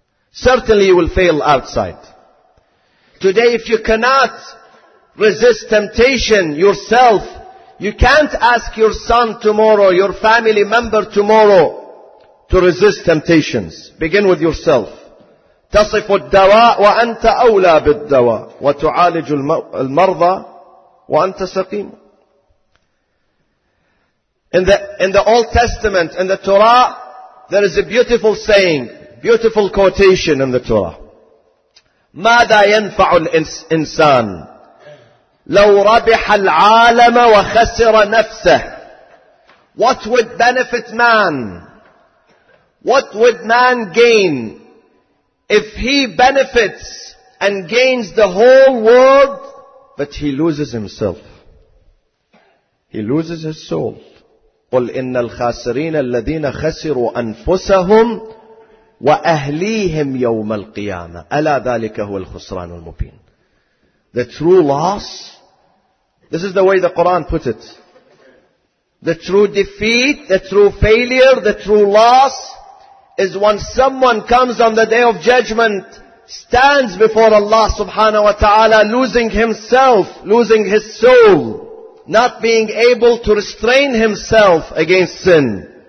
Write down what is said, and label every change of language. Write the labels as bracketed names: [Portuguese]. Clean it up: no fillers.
[English] Certainly you will fail outside. Today if you cannot resist temptation yourself, you can't ask your son tomorrow, your family member tomorrow, to resist temptations. Begin with yourself. [Arabic] تصف الدواء وأنت أولى بالدواء وتعالج المرضى وأنت سقيم. [English] In the Old Testament, in the Torah, there is a beautiful saying, beautiful quotation in the Torah. [Arabic] ماذا ينفع الإنسان لو ربح العالم وخسر نفسه. [English] What would benefit man? What would man gain if he benefits and gains the whole world, but he loses himself? He loses his soul. [Arabic] قُلْ إِنَّ الْخَاسِرِينَ الَّذِينَ خَسِرُوا أَنفُسَهُمْ وَأَهْلِيهِمْ يَوْمَ الْقِيَامَةِ أَلَا ذَلِكَ هُوَ الْخُسْرَانُ الْمُبِينَ. [English] The true loss, this is the way the Quran put it. The true defeat, the true failure, the true loss is when someone comes on the day of judgment, stands before Allah subhanahu wa ta'ala, losing himself, losing his soul, not being able to restrain himself against sin.